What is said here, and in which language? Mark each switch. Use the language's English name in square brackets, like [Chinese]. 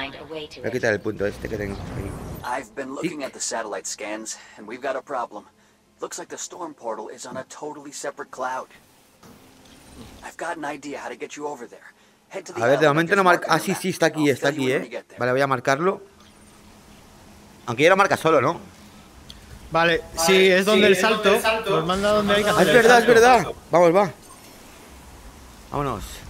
[Spanish] Voy a quitar el punto este que tengo aquí. [English] I've been looking at the satellite scans, and we've got a problem. Looks like the storm portal is on a totally separate cloud. I've got an idea how to get you over there. Head to the. [Spanish] A ver, de momento no marca. Ah, sí, sí, está aquí, Vale, voy a marcarlo. Aunque ya lo marca solo, ¿no? Vale, sí, es donde el salto. Nos manda donde hay que hacer el salto. Es verdad, es verdad. Vamos, va. Vámonos.